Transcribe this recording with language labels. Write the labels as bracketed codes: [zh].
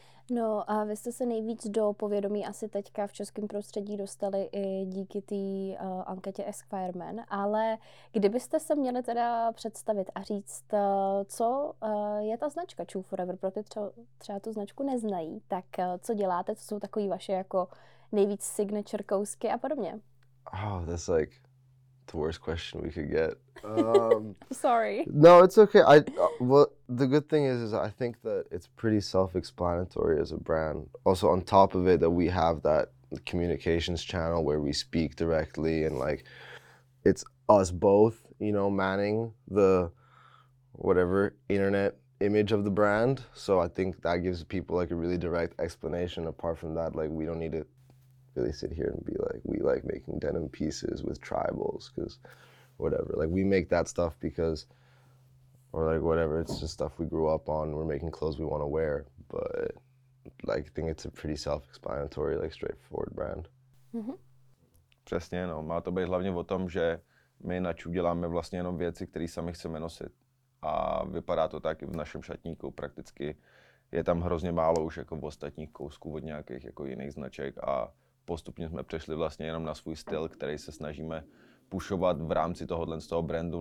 [cs] No a vy jste se nejvíc do povědomí asi teďka v českém prostředí dostali i díky té anketě Esquire Man, ale kdybyste se měli teda představit a říct, co je ta značka True Forever, pro ty, co třeba tu značku neznají, tak co děláte, co jsou takový vaše jako nejvíc signature kousky a podobně? [en] Oh, that's like the worst question we could get. Sorry. No, it's okay. The good thing is I think that it's pretty self-explanatory as a brand. Also, on top of it, that we have that communications channel where we speak directly and like it's us both, you know, manning the whatever internet image of the brand. So I think that gives people like a really direct explanation. Apart from that, like we don't need to really sit here and be like, we like making denim pieces with tribals because whatever, like we make that stuff because, or like whatever, it's just stuff we grew up on, we're making clothes we want to wear, but like I think it's a pretty self-explanatory, like straightforward brand. Mm-hmm. [cs] Přesně, no, má to být hlavně o tom, že my na ČU děláme vlastně jenom věci, které sami chceme nosit a vypadá to tak i v našem šatníku prakticky. Je tam hrozně málo už jako v ostatních kousků od nějakých jako jiných značek a postupně jsme přešli vlastně jenom na svůj styl, který se snažíme pušovat v rámci tohohle z toho brandu.